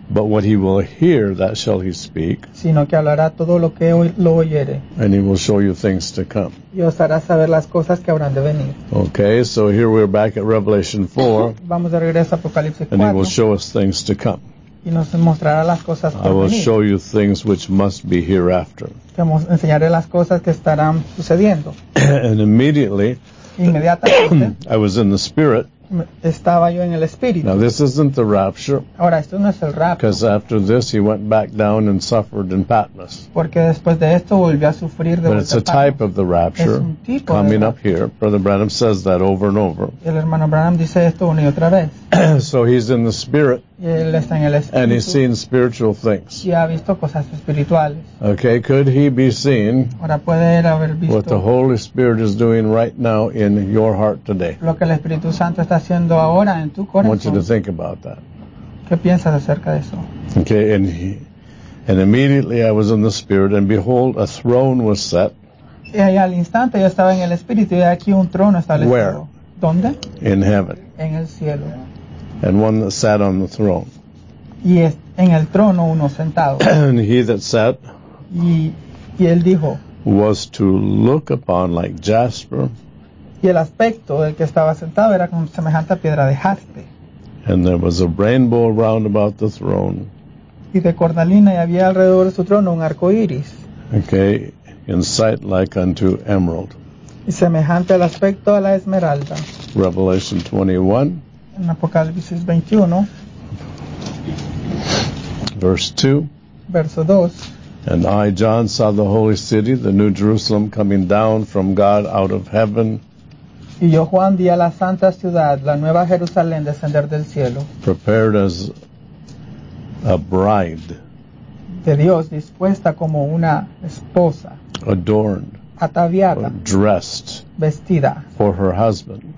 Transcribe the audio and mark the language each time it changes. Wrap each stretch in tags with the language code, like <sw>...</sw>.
<en>But what he will hear, that shall he speak.</en> <es>Sino que hablará todo lo que lo oyere.</es> <en>And he will show you things to come.</en> <es>Y os hará saber las cosas que habrán de venir.</es> <en>Okay, so here we're back at Revelation 4.</en> <es>Vamos de regreso a Apocalipsis 4.</es> <en>And he will show us things to come.</en> <es>Y nos mostrará las cosas por</es> <en>I will</en> <es>venir.</es> <en>Show you things which must be hereafter.</en> <es>Te enseñaré las cosas que estarán sucediendo.</es> <en>And immediately,</en> <es>inmediatamente,</es> <en>I was in the spirit.</en> <es>estaba yo en el espíritu.</es> <en>Now this isn't the rapture.</en> <es>Ahora esto no es el rapto.</es> <en>Because after this he went back down and suffered in Patmos.</en> <es>Porque después de esto volvió a sufrir de</es> <en>But it's a type of the rapture.</en> <es>Es un tipo</es> <en>coming</en> <es>de</es> <en>up here. Brother Branham says that over and over.</en> <es>Y el hermano Branham dice esto una y otra vez.</es> <en>So he's in the spirit.</en> <es>Y él está en el espíritu.</es> <en>And he's seen spiritual things.</en> <es>Y ha visto cosas espirituales.</es> <en>Okay, could he be seen?</en> <es>Ahora puede él haber visto</es> <en>what the Holy Spirit is doing right now in your heart today.</en> <es>Lo que el Espíritu Santo está haciendo ahora en tu corazón.</es> <en>I want you to think about that.</en> <es>¿Qué piensas acerca de eso?</es> <en>Okay, and immediately I was in the spirit, and behold, a throne was set.</en> <es>Y ahí al instante yo estaba en el espíritu y aquí un trono establecido.</es> <en>Where?</en> <es>¿Dónde?</es> <en>In heaven.</en> <es>En el cielo.</es> <en>And one that sat on the throne.</en> <es>Y en el trono uno sentado.</es> <en>And he that sat.</en> <es>Y él dijo.</es> <en>Was to look upon like jasper.</en> <es>Y el aspecto del que estaba sentado era como semejante a piedra de jaspe.</es> <en>And there was a rainbow round about the throne.</en> <es>Y de cornalina y había alrededor de su trono un arco iris.</es> <en>Okay, in sight like unto emerald.</en> <es>Y semejante al aspecto de la esmeralda.</es> <en>Revelation 21.</en> <es>En Apocalipsis 21.</es> <en>Verse 2.</en> <es>Verso 2.</es> <en>And I, John, saw the holy city, the new Jerusalem, coming down from God out of heaven.</en> <es>Y yo, Juan, vi a la santa ciudad, la nueva Jerusalén, descender del cielo.</es> <en>Prepared as a bride.</en> <es>De Dios, dispuesta como una esposa.</es> <en>Adorned.</en> <es>Ataviada.</es> <en>Dressed.</en> <es>Vestida.</es> <en>For her husband.</en>